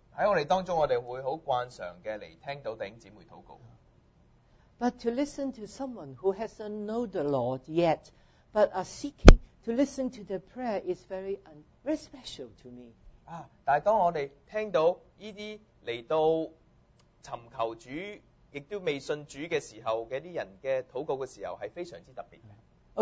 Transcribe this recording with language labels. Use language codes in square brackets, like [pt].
[zh] 在我们当中，我们会很惯常的来听到弟兄姊妹祷告。 [en] But to listen to someone who hasn't known the Lord yet, but are seeking to listen to the prayer is very special to me. [zh] 但当我们听到这些来到寻求主，亦都未信主的时候，这些人的祷告的时候是非常特别的。